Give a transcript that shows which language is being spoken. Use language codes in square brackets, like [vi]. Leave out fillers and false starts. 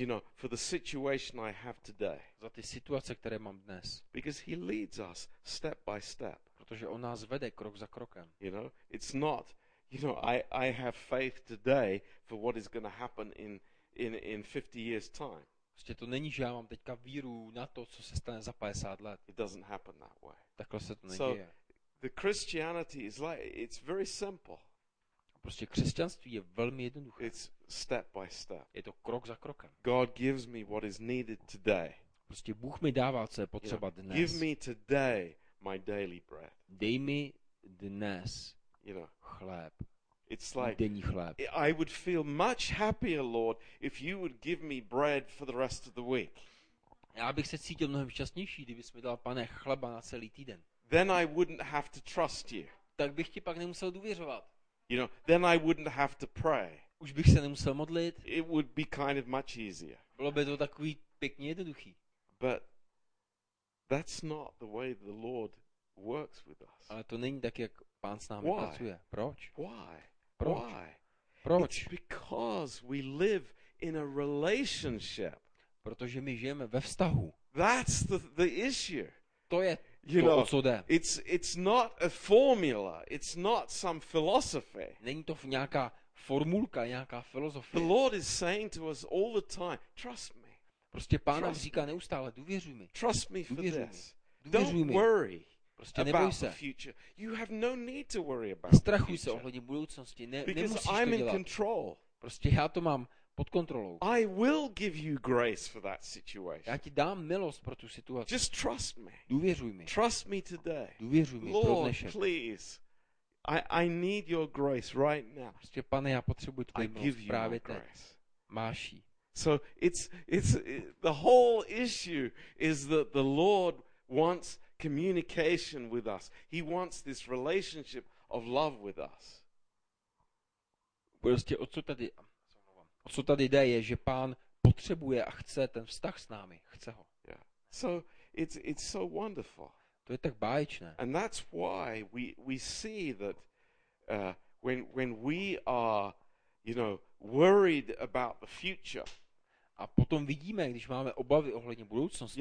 [en] You know, for the situation I have today. [cs] Za ty situace, které mám dnes. [en] Because he leads us step by step. [cs] Protože on nás vede krok za krokem. [en] You know, it's not, you know, I have faith today for what is going to happen in 50 years time. [cs] Prostě to není, že já mám teďka víru na to, co se stane za 50 let. [en] It doesn't happen that way. [cs] Takhle se to neděje. [en] So the Christianity is like, it's very simple. [cs] Prostě křesťanství je velmi jednoduché. [en] It's step by step. [cs] Je to krok za krokem. [en] God gives me what is needed today. [cs] Prostě Bůh mi dává, co je potřeba dnes. [en] Give me today my daily bread. [cs] Dej mi dnes, [en] you know, [cs] chléb. [en] It's like [cs] denní chléb. [en] I would feel much happier, Lord, if you would give me bread for the rest of the week. [cs] Já bych se cítil mnohem šťastnější, kdybys mi dal, pane, chleba na celý týden. [en] Then I wouldn't have to trust you. [cs] Tak bych ti pak nemusel důvěřovat. [en] You know, then I wouldn't have to pray. [cs] Už bych se nemusel modlit. [en] It would be kind of much easier. [cs] Bylo by to takový pěkně jednoduchý. [en] But that's not the way the Lord works with us. [cs] Ale to není tak, jak Pán s námi pracuje. Proč? [en] Why? [cs] Proč? [en] Why? [cs] Proč? [en] It's because we live in a relationship. [cs] Protože my žijeme ve vztahu. [en] That's the issue. [cs] To je to, o co jde. [en] It's not a formula. It's not some philosophy. [cs] Není to nějaká formulka, nějaká filozofie. [en] The Lord is saying to us all the time, trust me. [cs] Prostě Pán nám říká neustále, důvěřuj mi. [en] Trust me for this. [cs] Důvěřuj mi. [en] Worry. [cs] Prostě neboj se. [en] You have no need to worry about. [cs] Strachuj se ohledně budoucnosti, nemusíš to dělat. [en] Control. [cs] Prostě já to mám pod kontrolou. [en] I will give you grace for that situation. [cs] Já ti dám milost pro tu situaci. [en] Just trust me. [cs] Důvěřuj mi. [en] Trust me today. [cs] Důvěřuj mi [en] Lord, [cs] pro dnešek. [en] Please. I need your grace right now. [cs] Prostě pane, já potřebuji tvoji milost právě teď. Máš jí. [en] So it's the whole issue is that the Lord wants communication with us. He wants this relationship of love with us. [cs] Prostě o co tady jde, je, že Pán potřebuje a chce ten vztah s námi. Chce ho. [en] Yeah. So it's so wonderful. [cs] To je tak báječné. [en] And that's why we see that when we are, you know, worried about the future. [cs] A potom vidíme, když máme obavy ohledně budoucnosti.